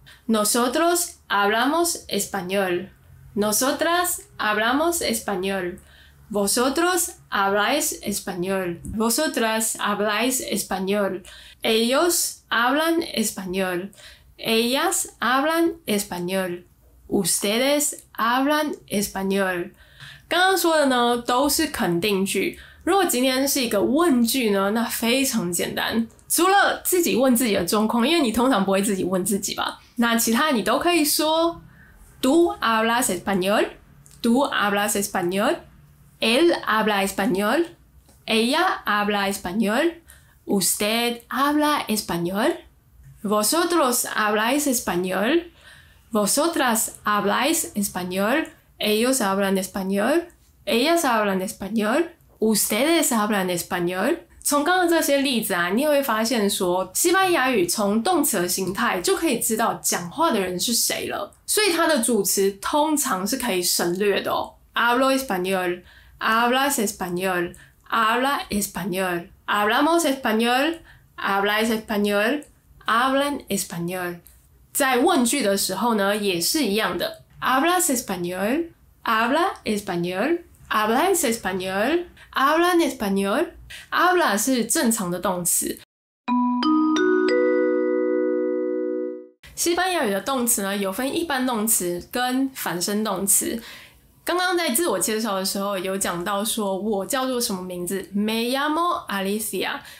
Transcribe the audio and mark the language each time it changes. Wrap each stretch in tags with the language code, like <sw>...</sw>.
<es>Nosotros hablamos español. Nosotras hablamos español. Vosotros habláis español. Vosotras habláis español. Ellos hablan español. Ellas hablan español. Ustedes hablan español.</es> <zh>刚刚说的呢，都是肯定句。如果今天是一个问句呢，那非常简单。除了自己问自己的状况，因为你通常不会自己问自己吧，那其他你都可以说</zh> <es>：Tú hablas español, tú hablas español, él habla español, ella habla español, usted habla español, vosotros habláis español, vosotras habláis español, ellos hablan español, ellas hablan español. Ustedes hablan español.</es> <zh>从刚刚这些例子啊，你也会发现说，西班牙语从动词的形态就可以知道讲话的人是谁了。所以它的主词通常是可以省略的哦。</zh> <es>Hablo español, hablas español, habla español, hablamos español, habláis español, hablan español. 在问句的时候呢，也是一样的。 Hablas español, habla español, habláis español. Habla en español.</es> <zh>Habla 是正常的动词。西班牙语的动词呢，有分一般动词跟反身动词。刚刚在自我介绍的时候，有讲到说我叫做什么名字 ，</zh> <es>Me llamo Alicia.</es>